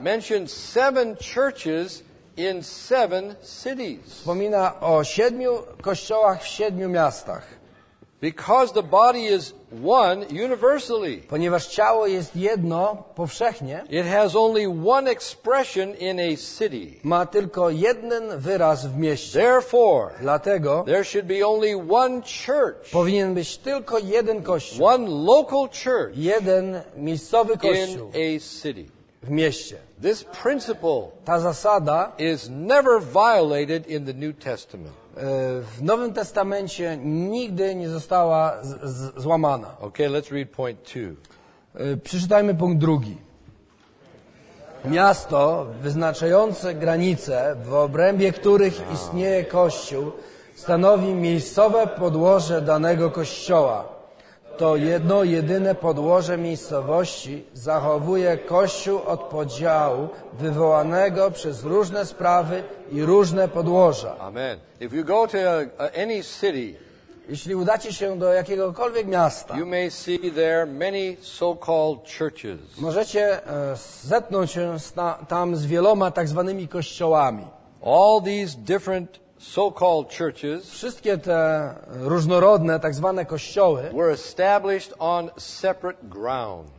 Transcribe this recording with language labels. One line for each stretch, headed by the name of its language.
English: mention seven churches in seven cities.
Polish: Wspomina o siedmiu kościołach w siedmiu miastach.
English: Because the body is one universally.
Polish: Ponieważ ciało jest jedno powszechnie.
English: It has only one expression in a city.
Polish: Ma tylko jeden wyraz w mieście.
English: Therefore,
Polish: dlatego
English: there should be only one church.
Polish: Powinien być tylko jeden kościół.
English: One local church.
Polish: Jeden miejscowy kościół.
English: In a city.
Polish: W mieście.
English: This principle,
Polish: ta zasada
English: is never violated in the New Testament.
Polish: W Nowym Testamencie nigdy nie została złamana.
English: Okay, let's read point two.
Polish: Przeczytajmy punkt drugi. Miasto wyznaczające granice, w obrębie których istnieje Kościół, stanowi miejscowe podłoże danego Kościoła. To jedno jedyne podłoże miejscowości zachowuje Kościół od podziału wywołanego przez różne sprawy i różne podłoża.
English: Amen. If you go to any city,
Polish: jeśli udacie się do jakiegokolwiek miasta,
English: you may see there many so-called churches.
Polish: Możecie zetknąć się tam z wieloma tak zwanymi kościołami.
English: All these different so-called churches,
Polish: wszystkie te różnorodne tak zwane kościoły,
English: were established on separate ground.